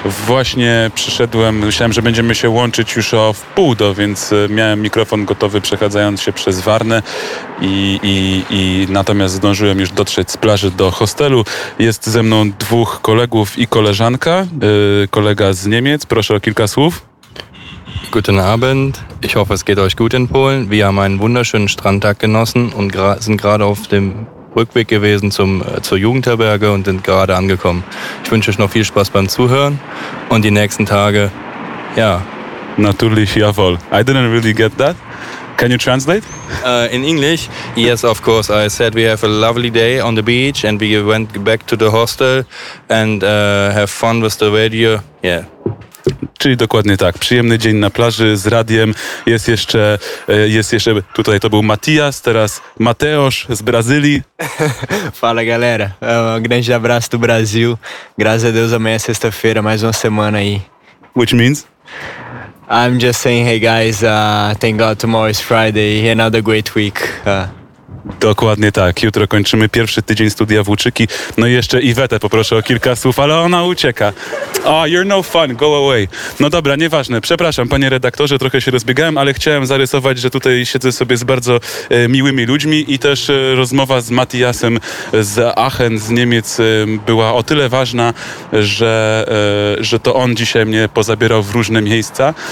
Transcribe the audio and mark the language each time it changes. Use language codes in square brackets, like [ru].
[pl] Właśnie przyszedłem, myślałem, że będziemy się łączyć już o wpół do, więc miałem mikrofon gotowy, przechadzając się przez Warnę i natomiast zdążyłem już dotrzeć z plaży do hostelu. Jest ze mną dwóch kolegów i koleżanka, kolega z Niemiec. Proszę o kilka słów. [de] Guten Abend. Ich hoffe, es geht euch gut in Polen. Wir haben einen wunderschönen Strandtag genossen und sind gerade auf dem Rückweg gewesen zur Jugendherberge und sind gerade angekommen. Ich wünsche euch noch viel Spaß beim Zuhören und die nächsten Tage, ja. Natürlich, jawohl. [en] I didn't really get that. Can you translate? In English? Yes, of course. I said we have a lovely day on the beach and we went back to the hostel and have fun with the radio. Yeah. [pl] Czyli dokładnie tak. Przyjemny dzień na plaży z radiem. Jest jeszcze tutaj to był Matias, teraz Mateusz z Brazylii. [pt] Fala galera. Um grande abraço do Brasil. Graças a Deus amanhã é sexta-feira, mais uma semana aí. [en] Which means? I'm just saying hey guys, thank God tomorrow is Friday, another great week. [pl] Dokładnie tak. Jutro kończymy pierwszy tydzień studia Włóczyki. No i jeszcze Iwetę poproszę o kilka słów, ale ona ucieka. [en] Oh, you're no fun, go away. [pl] No dobra, nieważne. Przepraszam, panie redaktorze, trochę się rozbiegałem, ale chciałem zarysować, że tutaj siedzę sobie z bardzo miłymi ludźmi i też rozmowa z Matiasem z Aachen, z Niemiec była o tyle ważna, że to on dzisiaj mnie pozabierał w różne miejsca.